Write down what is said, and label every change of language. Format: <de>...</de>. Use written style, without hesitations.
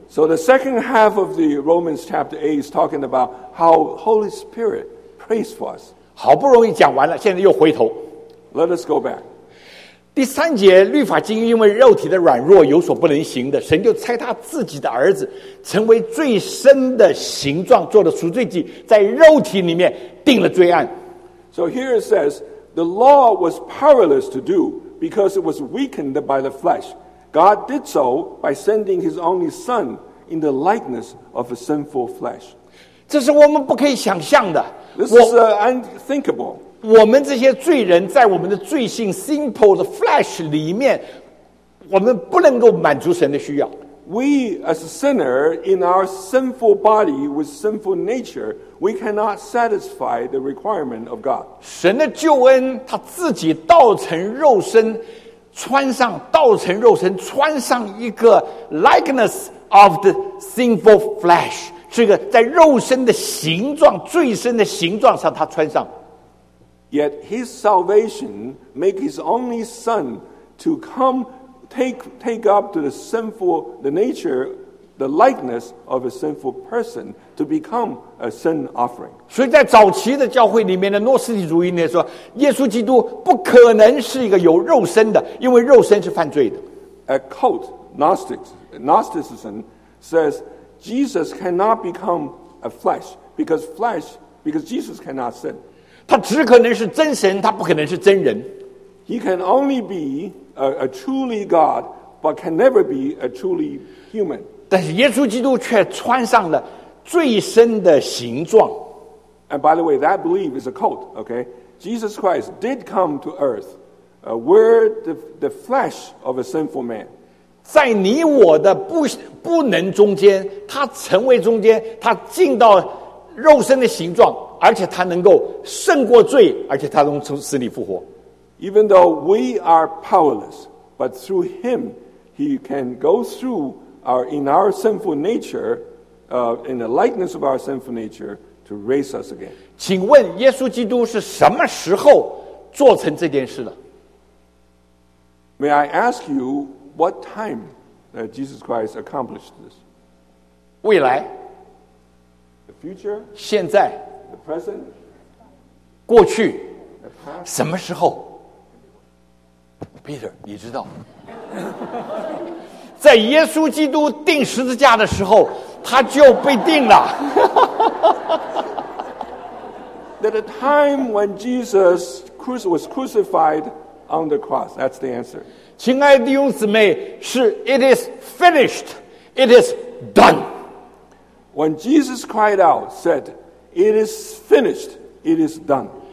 <en>So the second half of the Romans chapter 8 is talking about how Holy Spirit prays for us.</en> <zh>好不容易讲完了，现在又回头。</zh> <en>Let us go back.</en> <zh>第三节，律法经因为肉体的软弱有所不能行的，神就差他自己的儿子成为最深的形状，做了赎罪祭，在肉体里面定了罪案。</zh> <en>So here it says,The law was powerless to do because it was weakened by the flesh. God did so by sending his only son in the likeness of a sinful flesh.</en> <zh>这是我们不可以想象的。</zh> <en>This is unthinkable.</en> <zh>我们这些罪人在我们的罪性 sinful 的 flesh 里面，我们不能够满足神的需要。</zh> <en>We as a sinner in our sinful body with sinful nature, we cannot satisfy the requirement of God.</en> <zh>神的救恩，他自己道成肉身，穿上道成肉身，穿上一个</zh> <en>likeness of the sinful flesh，</en> <zh>这个在肉身的形状、罪身的形状上，他穿上。</zh> <en>Yet his salvation make his only son to come. Take up to the sinful, the nature, the likeness of a sinful person to become a sin offering.</en> <zh>所以在早期的教会里面的诺斯底主义呢说，耶稣基督不可能是一个有肉身的，因为肉身是犯罪的。</zh> <en>A cult, Gnosticism, says Jesus cannot become a flesh because Jesus cannot sin.</en> <zh>他只可能是真神，他不可能是真人。</zh> <en>He can only be. A truly God, but can never be a truly human.</en> <zh>但是耶稣基督却穿上了最深的形状。</zh> <en>And by the way, that belief is a cult, okay? Jesus Christ did come to earth, wear the flesh of a sinful man.</en> <zh>在你我的不能中间，他成为中间，他进到肉身的形状，而且他能够胜过罪，而且他能从死里复活。</zh> <en>Even though we are powerless, but through him, he can go through in our sinful nature, in the likeness of our sinful nature, to raise us again.</en> <zh>请问耶稣基督是什么时候做成这件事的？</zh> <en>May I ask you what time that Jesus Christ accomplished this?</en> <zh>未来。</zh> <en>The future.</en> <zh>现在。</zh> <en>The present.</en> <zh>过去。</zh> <en>The past.</en> <zh>什么时候？ Peter, 你知道在耶稣基督钉十字架的时候他就被钉了。</zh> <en>That a time when Jesus was crucified on the cross, that's the answer.</en> <zh>亲爱的弟兄姊妹是</zh> <en>it is finished, it is done. When Jesus cried out, said, it is finished, it is done.</en>